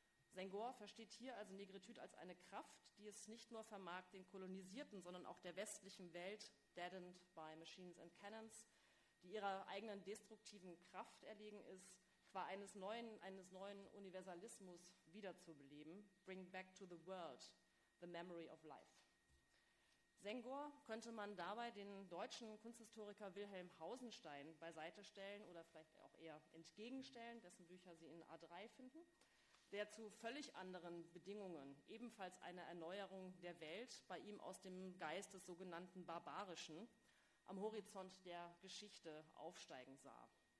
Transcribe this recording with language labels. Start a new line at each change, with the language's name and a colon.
German: Senghor versteht hier also Negritude als eine Kraft, die es nicht nur vermag, den Kolonisierten, sondern auch der westlichen Welt,
English: deadened by machines and cannons,
German: die ihrer eigenen destruktiven Kraft erlegen ist, qua eines neuen Universalismus wiederzubeleben.
English: Bring back to the world the memory of life.
German: Senghor könnte man dabei den deutschen Kunsthistoriker Wilhelm Hausenstein beiseite stellen oder vielleicht auch eher entgegenstellen, dessen Bücher Sie in A3 finden, der zu völlig anderen Bedingungen ebenfalls eine Erneuerung der Welt bei ihm aus dem Geist des sogenannten Barbarischen am Horizont der Geschichte aufsteigen sah.